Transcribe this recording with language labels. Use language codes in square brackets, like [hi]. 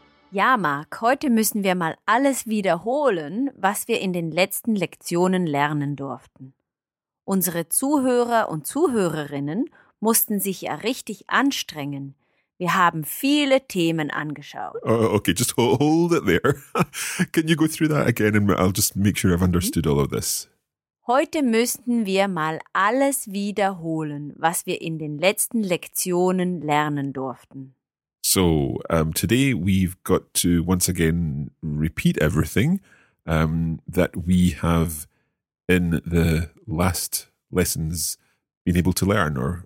[de] Ja, Marc, heute müssen wir mal alles wiederholen, was wir in den letzten Lektionen lernen durften. Unsere Zuhörer und Zuhörerinnen mussten sich ja richtig anstrengen. Wir haben viele Themen angeschaut. [en] Okay, just hold it there. Can you go through that again and I'll just make sure I've understood all of this. [de] Heute müssten wir mal alles wiederholen, was wir in den letzten Lektionen lernen durften. [en] So, today we've got to once again repeat everything that we have in the last lessons been able to learn.